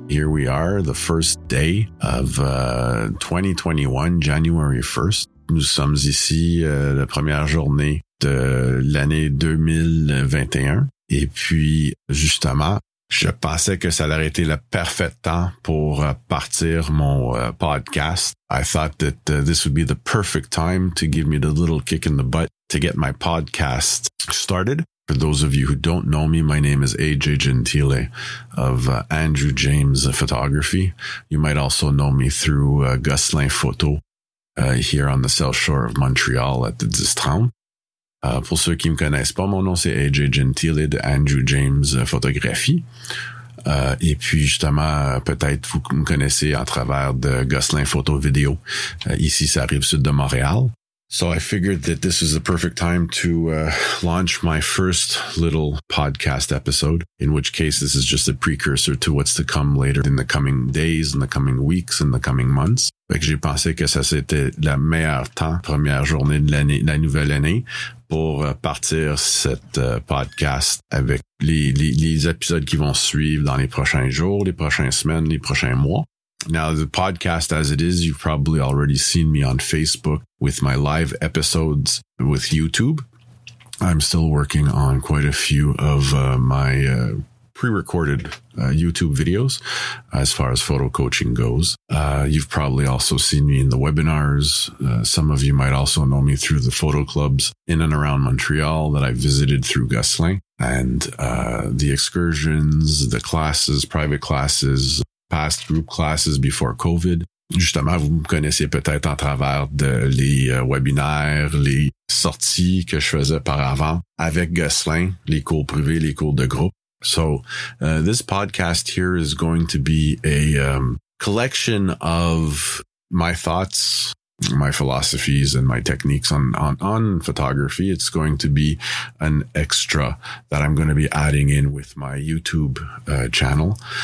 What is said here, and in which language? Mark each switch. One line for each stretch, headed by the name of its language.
English: Here we are, the first day of 2021, January 1st.
French: Nous sommes ici la première journée de l'année 2021. Et puis, justement, je pensais que ça aurait été le parfait temps pour partir mon podcast.
English: I thought that this would be the perfect time to give me the little kick in the butt to get my podcast started. For those of you who don't know me, my name is AJ Gentile of Andrew James Photography. You might also know me through Gosselin Photo here on the south shore of Montreal at the 10th town.
French: Pour ceux qui me connaissent pas, mon nom c'est AJ Gentile de Andrew James Photography. Et puis justement, peut-être vous me connaissez à travers de Gosselin Photo Vidéo ici sur la rive sud de Montréal.
English: So I figured that this was the perfect time to launch my first little podcast episode, in which case this is just a precursor to what's to come later in the coming days, in the coming weeks, in the coming months.
French: Fait que j'ai pensé que ça c'était la meilleure temps, première journée de l'année, la nouvelle année, pour partir cette podcast avec les épisodes qui vont suivre dans les prochains jours, les prochaines semaines, les prochains mois.
English: Now, the podcast as it is, you've probably already seen me on Facebook with my live episodes with YouTube. I'm still working on quite a few of my pre-recorded YouTube videos as far as photo coaching goes. You've probably also seen me in the webinars. Some of you might also know me through the photo clubs in and around Montreal that I visited through Gosselin and the excursions, the classes, private classes, past group classes before COVID.
French: Justement, vous me connaissez peut-être en travers de les webinaires, les sorties que je faisais par avant avec Gosselin, les cours privés, les cours de groupe.
English: So, this podcast here is going to be a collection of my thoughts, my philosophies, and my techniques on photography. It's going to be an extra that I'm going to be adding in with my YouTube channel.